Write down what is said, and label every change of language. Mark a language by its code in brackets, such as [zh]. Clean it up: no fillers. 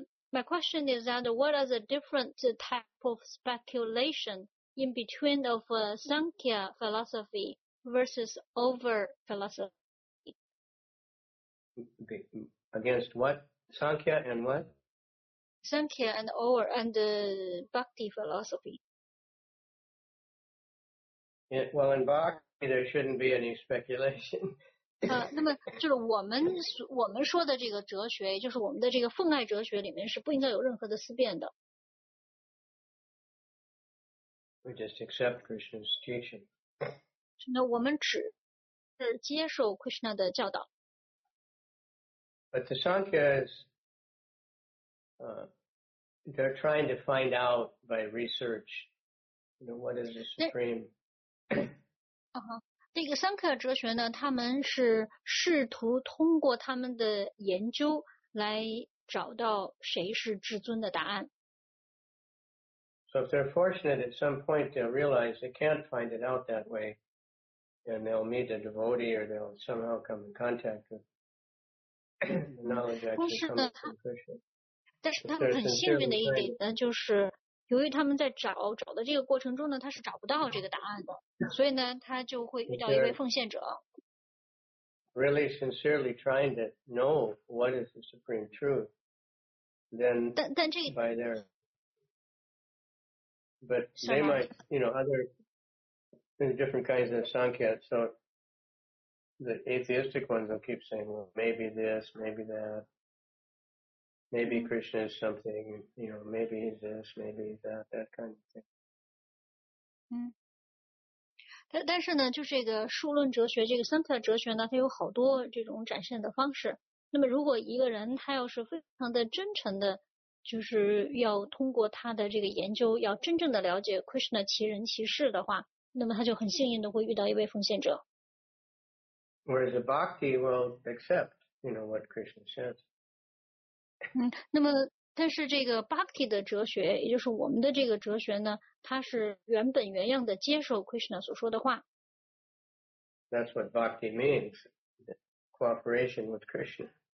[en] My question is that what are the different type of speculation in between of Sankhya philosophy versus over philosophy? Against what? Sankhya and what? Sankhya and over and Bhakti philosophy. Yeah, well, in Bhakti, there shouldn't be any speculation. [zh] 那么就是我们说的这个哲学，就是我们的这个奉爱哲学里面是不应该有任何的思辨的。 [en] We just accept Krishna's teaching. [zh] 那我们只是接受 Krishna 的教导。 [en] But the Sankhya's, they're trying to find out by research, you know, what is the supreme. [zh] 这个桑克哲学呢，他们是试图通过他们的研究来找到谁是至尊的答案。 [en] So if they're fortunate at some point, they'll realize they can't find it out that way, and they'll meet a devotee or they'll somehow come in contact with the knowledge actually coming from Krishna. [zh] 但是他们很幸运的一点呢，就是由于他们在找的这个过程中呢，他是找不到这个答案的，所以呢，他就会遇到一位奉献者。 [en] Really sincerely trying to know what is the supreme truth, then [zh] 但这个、 [en] by their, but they might, you know, other different kinds of sankhya. So the atheistic ones will keep saying, well, maybe this, maybe that, maybe Krishna is something, you know, maybe he's this, maybe that, that kind of thing. [zh] 但是呢，就这个数论哲学，这个 Samkhya 哲学呢，它有好多这种展现的方式。那么，如果一个人他要是非常的真诚的，就是要通过他的这个研究，要真正的了解 Krishna 其人其事的话，那么他就很幸运的会遇到一位奉献者。 [en] Whereas a bhakti will accept, you know, what Krishna says. [zh] 那么。但是这个 Bhakti 的哲学，也就是我们的这个哲学呢，它是原本原样的接受 Krishna 所说的话。 [en] That's what Bhakti means, cooperation with Krishna.